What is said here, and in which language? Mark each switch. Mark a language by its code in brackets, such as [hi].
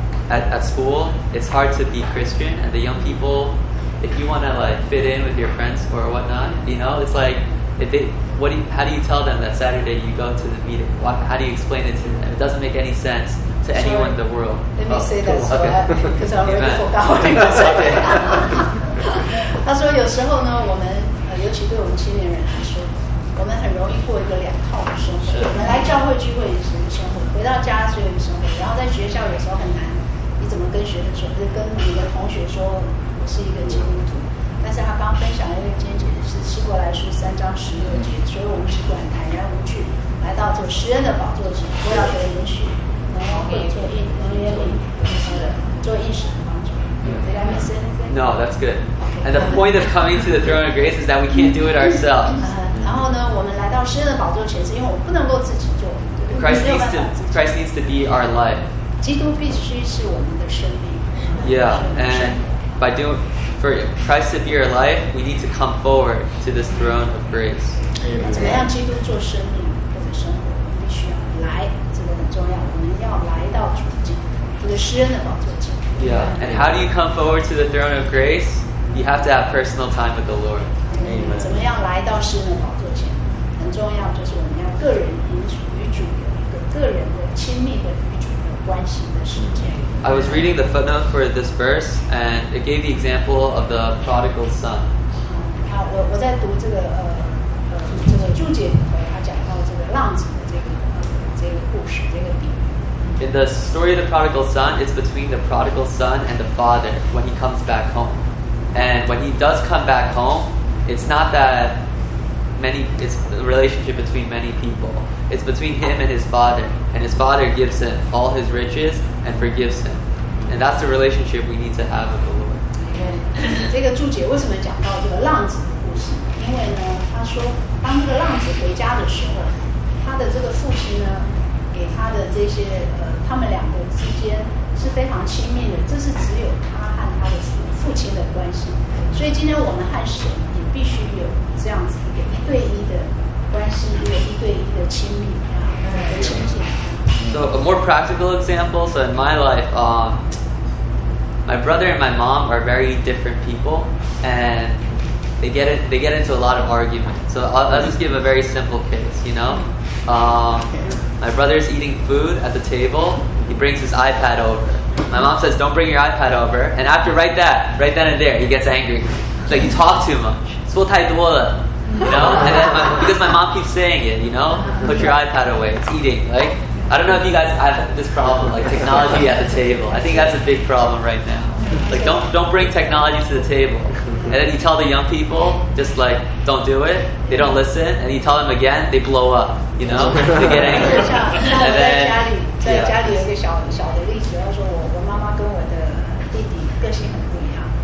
[en] At school, it's hard to be Christian, and the young people, if you want to like fit in with your friends or whatnot, you know, it's like, how do you tell them that Saturday you go to the meeting? How do you explain it to them? It doesn't make any sense to anyone in the world. Let me say that so that, because I already forgot what he was saying. [zh] 他说有时候呢，我们尤其对我们青年人来说，我们很容易过一个两套的生活。我们来教会聚会也是生活，回到家是有时候，然后在学校有时候很难，你怎么跟学生说，跟你的同学说我是一个基督徒。但是他刚分享了一个经节，是希伯来书3:16，所以我们只管坦然无惧来到这施恩的宝座前，都要得允许能够会做应能约定做应许的帮助。 [en] Did I miss anything? No, that's good. And the point of coming to the throne of grace is that we can't do it ourselves. [zh] 然后呢，我们来到施恩的宝座前，是因为我们不能够自己做。 [en] Christ needs to be our life. [zh] 基督必须是我们的生命。 [en] Yeah, and by doing for Christ to be our life, we need to come forward to this throne of grace. [zh] 怎么样基督做生命或者生活，我们必须要来，这个很重要。我们要来到主的基督，这个施恩的宝座前。 [en] Yeah, and how do you come forward to the throne of grace? You have to have personal time with the Lord. Amen. [zh] 怎么样来到施恩的宝座前？很重要，就是我们要个人与主有一个个人的亲密的与主的关系的时间。 [en] I was reading the footnote for this verse, and it gave the example of the prodigal son. [zh] 好，我在读这个这个注解里头，他讲到这个浪子的这个故事，这个比喻。 [en] In the story of the prodigal son, it's between the prodigal son and the father when he comes back home. And when he does come back home, it's not that many, it's a relationship between many people. It's between him and his father. And his father gives him all his riches and forgives him. And that's the relationship we need to have with the Lord. Okay. [zh] 这个注解为什么讲到这个浪子的故事？因为呢，他说当这个浪子回家的时候，他的这个父亲呢，给他的这些他们两个之间是非常亲密的，这是只有他和他的父亲的关系。所以今天我们和神也必须有这样子一个一对一的关系，一个一对一的亲密和亲近。 [en] So a more practical example. So in my life, my brother and my mom are very different people, and they get into a lot of arguments. So I'll just give a very simple case, you know. My brother's eating food at the table. He brings his iPad over. My mom says, "Don't bring your iPad over." And after right then and there, he gets angry. It's like you talk too much. [zh] 说太多了, [en] you know. And then because my mom keeps saying it, you know, put your iPad away. It's eating, like. I don't know if you guys have this problem, like technology at the table. I think that's a big problem right now. Like, don't bring technology to the table. And then you tell the young people, just like, don't do it. They don't listen. And you tell them again, they blow up, you know? They get angry. And then, [zh] 在家里有一个小的例子，要说我妈妈跟我的弟弟个性很不一样。